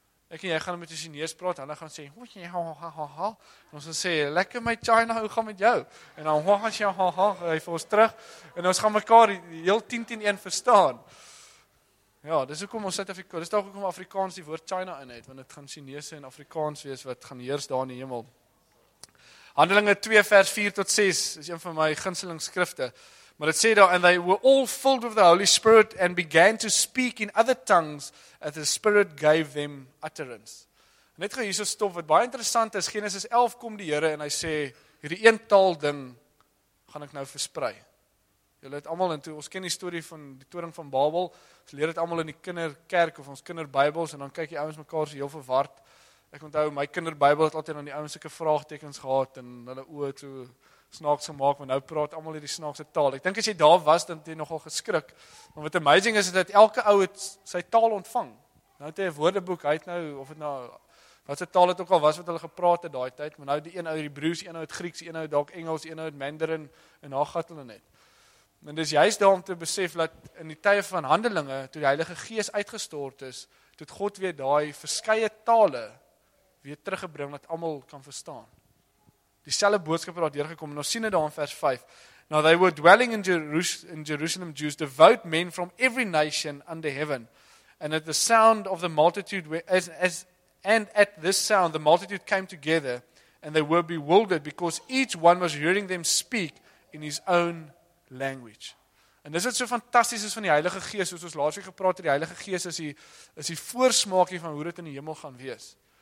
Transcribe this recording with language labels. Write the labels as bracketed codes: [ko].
[af] Ek en jy gaan met die Chinese praat, hulle gaan sê, ho, ha, ha, ha, ha. En ons gaan sê, lekker my China, hoe gaan met jou? En dan, ho, ha, ha, ha, ha, hy vir ons terug, en ons gaan mekaar heel 10-10-1 verstaan. Ja, dis hoekom ons Suid-Afrikaans, dis dalk hoekom Afrikaans die woord China in het, want het gaan Chinese en Afrikaans wees, wat gaan heers daar in die hemel. Handelinge 2 vers 4 tot 6 is een van my gunsteling skrifte. Maar het sê daar, [en] and they were all filled with the Holy Spirit and began to speak in other tongues as the Spirit gave them utterance. [af] Net gou hierso stop, wat baie interessant is, Genesis 11 kom die Here en hy sê, hierdie een taal ding gaan ek nou versprei. Julle het allemaal, en toe, ons ken die story van die toring van Babel, ons leer het allemaal in die kinderkerk of ons kinderbybels en dan kyk die ouens mekaar so heel verward. Ek onthou, my kinderbybel het altyd aan die ouwe sulke vraagtekens gehad, en hulle oor toe snaaks gemaakt, maar nou praat allemaal hierdie snaakse taal. Ek dink as jy daar was, dan het jy nogal geskrik. Maar wat amazing is, dat elke ou het sy taal ontvang. Nou het hy een woordeboek, hy het nou, of het nou, wat sy taal het ook al was, wat hulle gepraat het daai tyd, maar nou die een ou die Hebreeus, een ou het Grieks, een ou het Dalk Engels, een ou het Mandarin, en daar gaat hulle net. En dis juist daar om te besef, dat in die tye van handelinge, toe die Heilige Gees uitgestort is, toe het God weer daai verskeie tale weer teruggebring, dat allemaal kan verstaan. Die selle boodskap het daar deurgekom, en ons sien het daar in vers 5, [en] Now they were dwelling in Jerusalem Jews, devout men from every nation under heaven, and at the sound of the multitude, and at this sound, the multitude came together, and they were bewildered, because each one was hearing them speak in his own language. [af] En dis wat so fantastisch is van die Heilige Gees, soos ons laatst weer gepraat het, die Heilige Gees is die voorsmaakie van hoe dit in die hemel gaan wees.